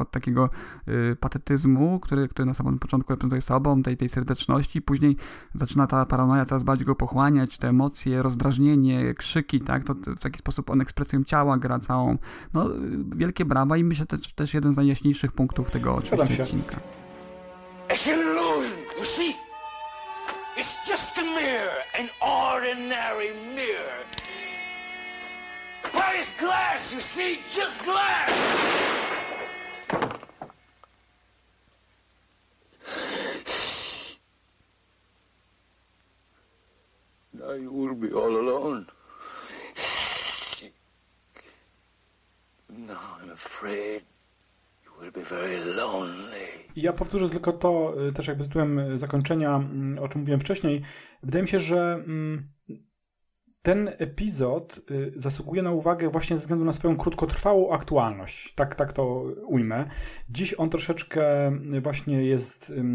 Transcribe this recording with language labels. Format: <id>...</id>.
<pl>Od takiego patetyzmu, który na samym początku reprezentuje sobą, tej serdeczności. Później zaczyna ta paranoja coraz bardziej go pochłaniać, te emocje, rozdrażnienie, krzyki, tak? To w taki sposób on ekspresją ciała gra całą. No, wielkie brawa i myślę, że to też jeden z najjaśniejszych punktów tego odcinka.</pl> <en>It's an illusion, you see? It's just a mirror, an ordinary mirror. But it's glass, you see? Just glass! I will be all alone. Now I'm afraid you will be very lonely.</en> <pl>Ja powtórzę tylko to, też jak tytułem zakończenia, o czym mówiłem wcześniej. Wydaje mi się, że ten epizod zasługuje na uwagę właśnie ze względu na swoją krótkotrwałą aktualność. Tak to ujmę. Dziś on troszeczkę właśnie jest...</pl>